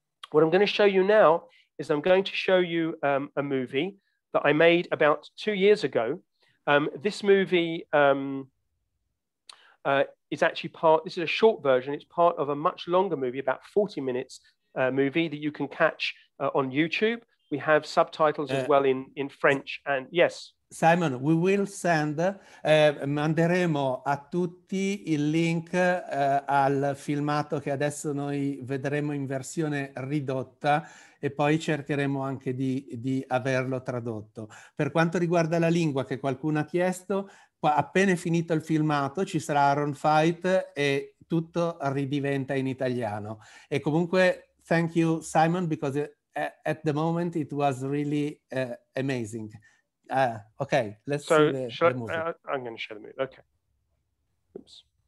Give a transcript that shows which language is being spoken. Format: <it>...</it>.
<en>What I'm going to show you now is I'm going to show you a movie that I made about 2 years ago. This movie is actually part, this is a short version. It's part of a much longer movie, about 40 minutes movie that you can catch on YouTube. We have subtitles as well in French. And yes. Simon, we will send,</en> <it>manderemo a tutti il link al filmato che adesso noi vedremo in versione ridotta e poi cercheremo anche di averlo tradotto. Per quanto riguarda la lingua che qualcuno ha chiesto, qua, appena è finito il filmato ci sarà Aaron Fight e tutto ridiventa in italiano. E comunque,</it> <en>thank you Simon, because at the moment it was really amazing. Okay, let's so see the movie. I'm going to share the movie. Okay. Oops.</en>